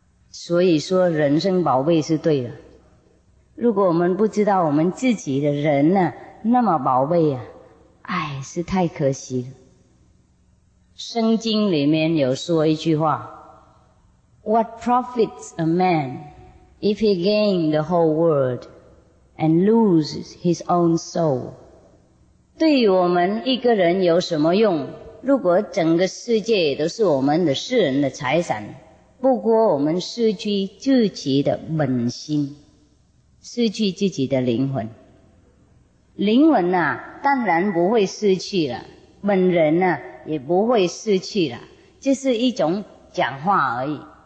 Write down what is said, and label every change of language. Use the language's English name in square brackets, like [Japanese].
[Chinese] 所以说人生宝贝是对的，如果我们不知道我们自己的人呢、啊，那么宝贝啊，哎，是太可惜了。圣经里面有说一句话， [English] What profits a man if he gain the whole world and lose his own soul? [Chinese] 对于我们一个人有什么用，如果整个世界都是我们的世人的财产，不过我们失去自己的本心，失去自己的灵魂。灵魂啊，当然不会失去了，本人啊，也不会失去了，这是一种讲话而已。